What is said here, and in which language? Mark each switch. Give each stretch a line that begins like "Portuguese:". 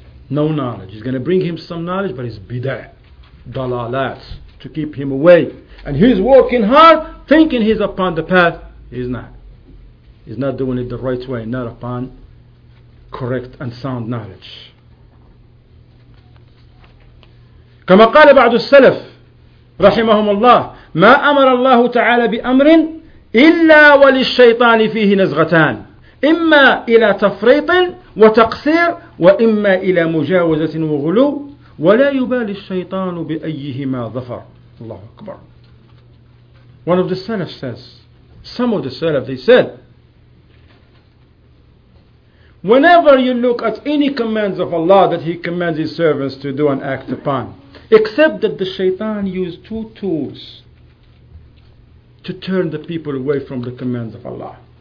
English: No knowledge. He's going to bring him some knowledge, but it's bidah, dalalat, to keep him away. And he's working hard, thinking he's upon the path. He's not. He's not doing it the right way, not upon correct and sound knowledge.
Arabic: كما قال بعض السلف رحمهم الله: ما أمر الله تعالى بأمر إلا وللشيطان فيه نزغتان، إما إلى تفريط وتقصير، وإما إلى مجاوزة وغلو، ولا يبالي الشيطان بأيهما ظفر. الله أكبر.
English: One of the Salaf says, some of the Salaf, they said, whenever you look at any commands of Allah that He commands His servants to do and act upon, except that the shaitan used two tools to turn the people away from the commands of Allah.